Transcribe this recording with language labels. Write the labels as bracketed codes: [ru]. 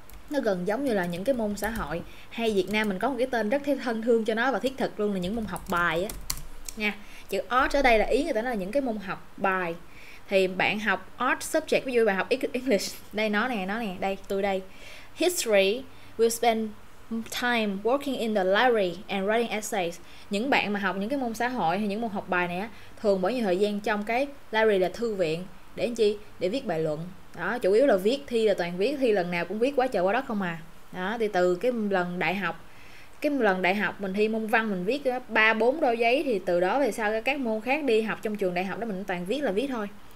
[vi] Nó gần giống như là những cái môn xã hội, hay Việt Nam mình có một cái tên rất thân thương cho nó và thiết thực luôn là những môn học bài á nha. Chữ art ở đây là ý người ta nói là những cái môn học bài. Thì bạn học art subject, ví dụ bạn học English, đây nó nè, đây tôi đây. [en] History will spend time working in the library and writing essays. [vi] Những bạn mà học những cái môn xã hội hay những môn học bài này á, thường bỏ nhiều thời gian trong cái library là thư viện để làm chi, để viết bài luận. Đó, chủ yếu là viết thi, là toàn viết thi, lần nào cũng viết quá trời quá đất không à. Đó, thì từ cái lần đại học mình thi môn văn mình viết 3 4 đôi giấy, thì từ đó về sau các môn khác đi học trong trường đại học đó mình toàn viết là viết thôi.